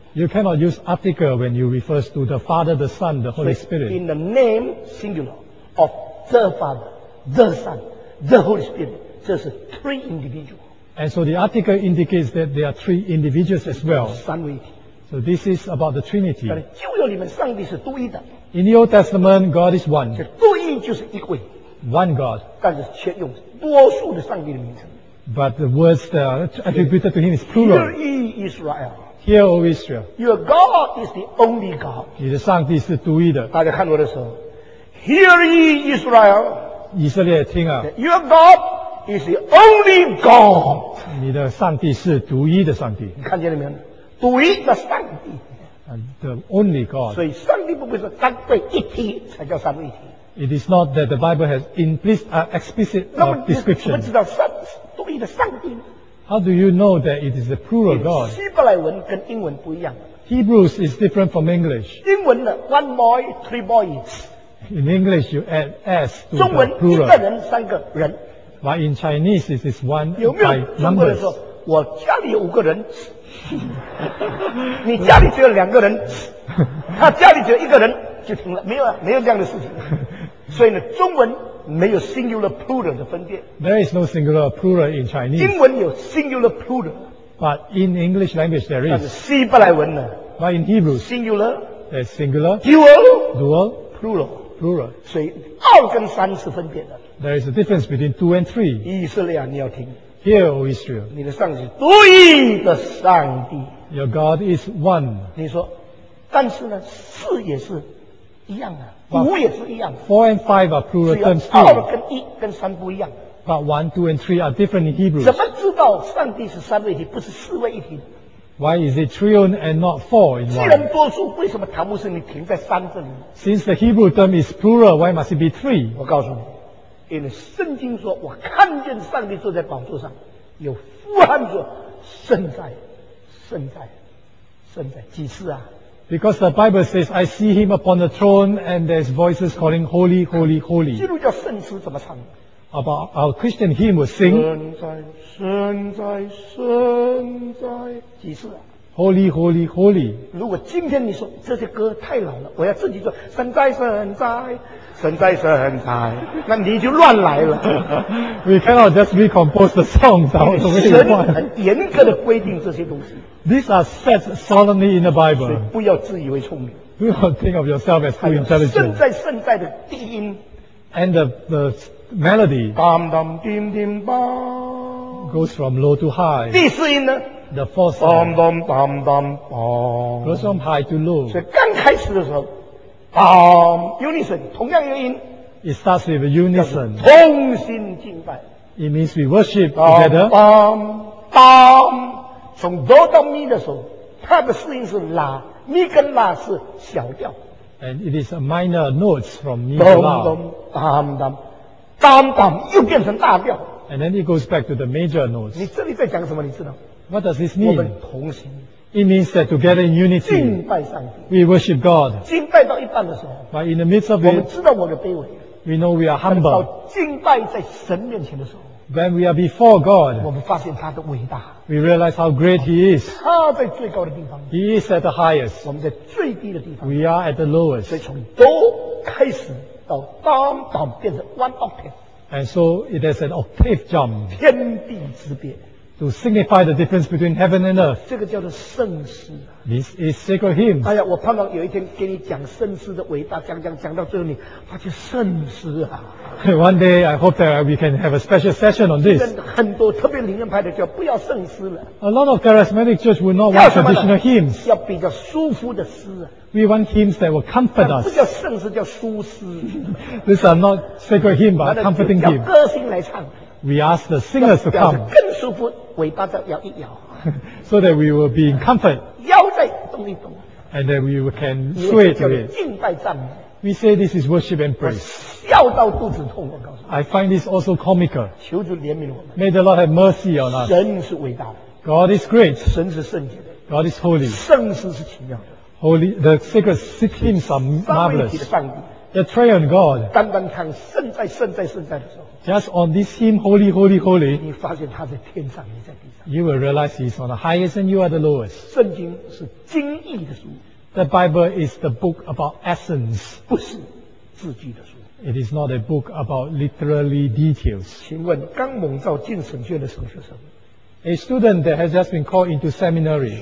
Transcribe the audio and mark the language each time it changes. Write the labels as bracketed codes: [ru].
[en] You cannot use article when you refers to the Father, the Son, the Holy Spirit. In the name singular of the Father, the Son, the Holy Spirit. [zh] 这是 [en] three individuals. And so the article indicates that there are three individuals as well. [zh] 三位一体。 [en] So this is about the Trinity. [zh] 但旧约里面上帝是独一的。 [en] In the Old Testament, God is one. [zh] 这独一就是一位。 [en] One God. [zh] 但是却用多数的上帝的名称。 [en] But the words that are attributed to him is plural. Hear ye Israel. Hear O Israel. Your God is the only God. [zh] 你的上帝是独一的。大家看我的时候。 [en] Hear ye Israel. [zh] 以色列听啊。 [en] Your God. Is the only God. [zh] 你的上帝是独一的上帝。你看见了没有？独一的上帝。 [en] The only God. [zh] 所以上帝不会说三位一体才叫三位一体。 [en] It is not that the Bible has implicit, explicit description. [zh] 那么你怎么知道三独一的上帝呢？ [en] How do you know that it is the plural God? [zh] 希伯来文跟英文不一样。 [en] Hebrews is different from English. [zh] 英文的 [en] one boy, three boys. In English, you add s to the plural. [zh] 中文一个人三个人。 [en] But in Chinese, it is one by numbers. [zh] 有没有中国人说，我家里有五个人，你家里只有两个人，他家里只有一个人，就停了，没有啊，没有这样的事情。所以呢，中文没有 [en] singular plural [zh] 的分别。 [en] There is no singular plural in Chinese. [zh] 英文有 [en] singular plural. But in English language, there is. [zh] 但是希伯来文呢？ [en] But in Hebrew, singular. There's singular. Dual. Dual. Plural. Plural. [zh] 所以二跟三是分别的。 [en] There is a difference between two and three. [zh] 以色列啊，你要听。 [en] Hear, O Israel. [zh] 你的上帝是独一的上帝。 [en] Your God is one. [zh] 你说，但是呢，四也是一样啊，五也是一样。 [en] Four and five are plural terms too. [zh] 二跟一跟三不一样。 [en] But one, two, and three are different in Hebrew. [zh] 怎么知道上帝是三位一体，不是四位一体？ [en] Why is it triune and not four in one? [zh] 既然多数，为什么塔木斯你停在三这里？ [en] Since the Hebrew term is plural, why must it be three? [zh] 我告诉你。因为圣经说，我看见上帝坐在宝座上，有呼喊说，圣哉，圣哉，圣哉，几次啊 [en] ？Because the Bible says, I see him upon the throne, and there's voices calling, holy, holy, holy. [zh] 基督教圣诗怎么唱 [en] ？About our Christian hymn will sing. [zh] 圣哉，圣哉，圣哉，几次啊 [en] ？Holy, holy, holy. [zh] 如果今天你说这些歌太老了，我要自己做，圣哉，圣哉。神在，神在，那你就乱来了。 [en] We cannot just recompose the songs. [zh] 神很严格的规定这些东西。 [en] These are set solemnly in the Bible. [zh] 所以不要自以为聪明。 [en] Do not think of yourself as too intelligent. [zh] 圣在，圣在的低音。 [en] And the melody. Bam bam dim dim bam. Goes from low to high. [zh] 第四音呢？ [en] The fourth bam bam bam bam bam. Goes from high to low. [zh] 所以刚开始的时候 ， [en] bam unison [zh] 同样的音。 [en] It starts with a unison. [zh] 同心敬拜。 [en] It means we worship together. [zh] Bam bam. 从 do 到 mi 的时候，它的四音是 la， mi 跟 la 是小调。 [en] And it is a minor notes from mi to la. [zh] Bam bam bam bam bam 又变成大调。 [en] And then it goes back to the major notes. [zh] 你这里在讲什么？你知道？ [en] What does this mean? [zh] 我们同心。 [en] It means that together in unity, [zh] 敬拜上帝。 [en] We worship God. [zh] 敬拜到一半的时候 [en] ，But in the midst of it, [zh] 我们知道我的卑微。 [en] We know we are humble. [zh] 到敬拜在神面前的时候 [en] ，When we are before God, [zh] 我们发现他的伟大。 [en] We realize how great He is. [zh] 他在最高的地方。 [en] He is at the highest. [zh] 我们在最低的地方。 [en] We are at the lowest. [zh] 所以从 do 开始到 dam dam 变成 [en] one octave. And so it is an octave jump. [zh] 天地之别。 [en] To signify the difference between heaven and earth. [zh] 这个叫做圣诗。 [en] This is sacred hymns. [zh] 哎呀，我盼望有一天给你讲圣诗的伟大，讲到最后你发现圣诗啊。 [en] One day, I hope that we can have a special session on this. [zh] 很多特别灵恩派的教不要圣诗了。 [en] A lot of charismatic church will not want traditional hymns. [zh] 要比较舒服的诗啊。 [en] We want hymns that will comfort us. [zh] 不叫圣诗，叫舒诗。 [en] These are not sacred hymns, but comforting hymns. [zh] 叫歌星来唱。 [en] We ask the singers to come. [zh] 更舒服，尾巴再摇一摇。 [en] So that we will be in comfort. [zh] 腰再动一动。 [en] And that we can sway to it. [zh] 敬拜赞美。 [en] We say this is worship and praise. [zh] 笑到肚子痛，我告诉你。 [en] I find this also comical. [zh] 求主怜悯我们。 [en] May the Lord have mercy on us. [zh] 神是伟大的。 [en] God is great. [zh] 神是圣洁的。 [en] God is holy. [zh] 圣诗是奇妙的。 [en] Holy, the sacred hymns are marvelous. [zh] 三位一体的上帝。 [en] The triune God. [zh] 单单看圣在，圣在，圣在的时候。 [en] Just on this hymn, holy, holy, holy. [zh] 你发现他在天上，你在地上。 [en] You will realize he's on the highest, and you are the lowest. [zh] 圣经是精义的书。 [en] The Bible is the book about essence. [zh] 不是字句的书。 [en] It is not a book about literally details. [zh] 请问刚蒙召进神学院的神学生 [en] ，A student that has just been called into seminary.